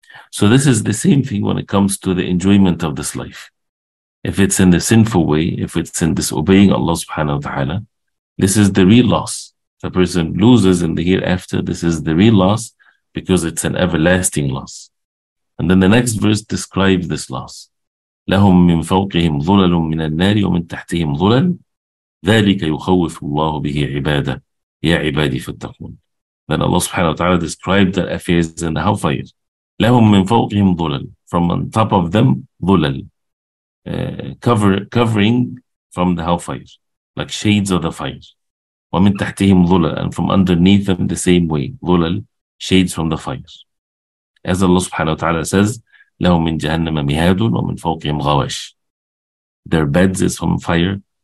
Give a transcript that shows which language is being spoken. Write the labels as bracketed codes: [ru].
[en] So this is the same thing when it comes to the enjoyment of this life. If it's in the sinful way, if it's in disobeying Allah subhanahu wa ta'ala, this is the real loss. The person loses in the hereafter, this is the real loss, because it's an everlasting loss. And then the next verse describes this loss. [ar] لَهُمْ مِنْ فَوْقِهِمْ ظُلَلٌ مِنَ النَّارِ وَمِنْ تَحْتِهِمْ ظُلَلٌ ذَلِكَ يُخَوِّفُ اللَّهُ بِهِ عِبَادَةً يَا عِبَادِي فَاتَّقُونَ [en] Then Allah subhanahu wa ta'ala described their affairs in the hellfire. [ar] لَهُمْ مِنْ فَوْقِهِمْ ظُلَلْ [en] From on top of them, ظُلَلْ Covering from the hellfire, like shades of the fire. [ar] وَمِنْ تَحْتِهِمْ ظُلَلْ [en] And from underneath them the same way, ظُلَلْ Shades from the fire. As Allah subhanahu wa ta'ala says, [ar] لَهُمْ مِنْ جَهَنَّمَ مِهَادٌ وَمِنْ فَوْقِهِمْ غَوَشْ [en] Their beds is from fire.